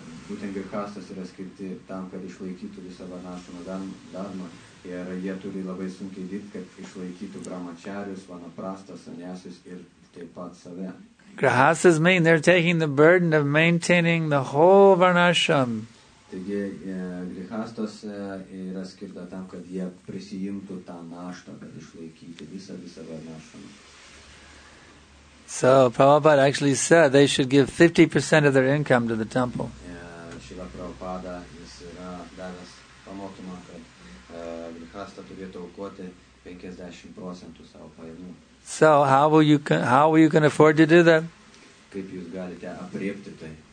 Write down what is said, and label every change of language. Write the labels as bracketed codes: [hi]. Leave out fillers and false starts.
[lt] būtent Grihastas yra skirti tam, kad išlaikytų visą Varnasramą darbą. Ir jie turi labai sunkiai dirbti, kad išlaikytų brahmačarius, vanaprastas, sanyasius ir taip pat save. [en] Grihastas mean they're taking the burden of maintaining the whole Varnasram. [lt] Taigi, Grihastas yra skirta tam, kad jie prisijimtų tą naštą, kad išlaikyti visą Varnasramą. [en] So Prabhupada actually said they should give 50% of their income to the temple. [lt] Srila Prabhupada jis yra davęs pamokymą, kad grihastha turėtų aukoti 50% savo pajamų. [en] So how are you going to afford to do that? [lt] Kaip jūs galite aprėpti tai?